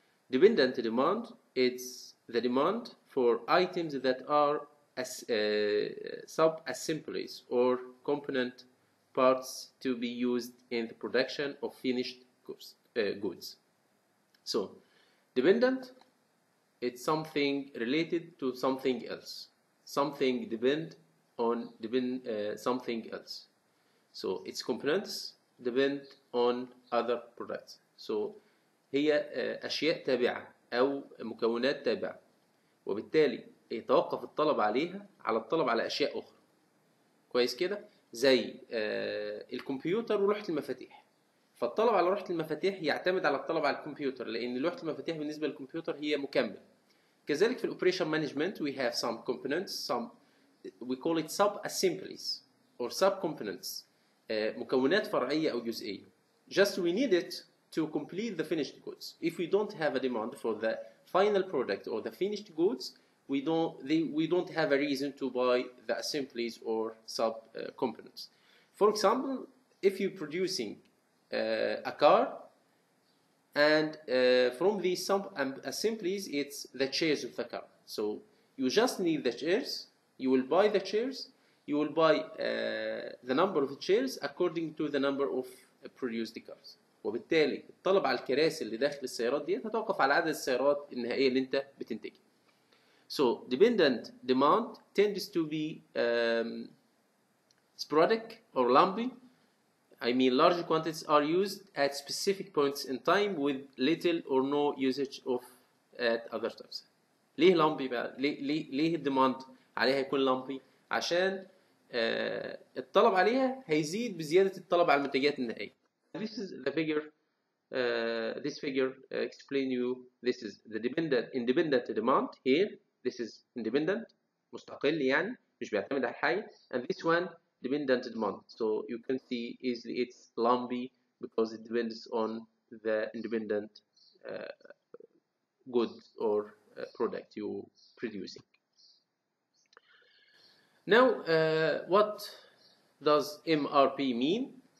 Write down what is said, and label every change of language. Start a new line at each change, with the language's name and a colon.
English: Dependent demand is the demand for items that are as sub-assemblies or component parts to be used in the production of finished goods. So, dependent, it's something related to something else. Something depend on something else. So, its components depend on other products.
Arabic: So, هي أشياء تابعة أو مكونات تابعة. وبالتالي يتوقف الطلب عليها على الطلب على أشياء أخرى، كويس كده؟ زي الكمبيوتر ولوحة المفاتيح، فالطلب على لوحة المفاتيح يعتمد على الطلب على الكمبيوتر، لأن لوحة المفاتيح بالنسبة للكمبيوتر هي مكمل. كذلك في الأوبريشن مانجمنت
English: we have some components, some we call it sub assemblies or sub components،
Arabic: مكونات فرعية أو جزئية.
English: Just we need it to complete the finished goods. If we don't have a demand for the final product or the finished goods, we don't have a reason to buy the assemblies or sub components. For example, if you're producing a car, and from these sub assemblies, it's the chairs of the car. So you just need the chairs. You will buy the chairs. You will buy the number of chairs according to the number of produced cars.
Arabic: وبالتالي الطلب على الكراسي اللي داخل السيارات دي هتوقف على عدد السيارات النهائية اللي انت بتنتجها.
English: So dependent demand tends to be sporadic or lumpy. I mean large quantities are used at specific points in time with little or no usage of at other times.
Arabic: ليه lumpy بقى؟ ليه الديماند عليها يكون lumpy؟ عشان الطلب عليها هيزيد بزيادة الطلب على المنتجات النهائية.
English: This is the figure. This figure explain you. This is the dependent independent demand here. This is independent,
Arabic: مستقل يعني مش بيعتمد على حاجة.
English: And this one dependent demand. So you can see easily it's lumpy because it depends on the independent good or product you producing. Now, what does MRP mean?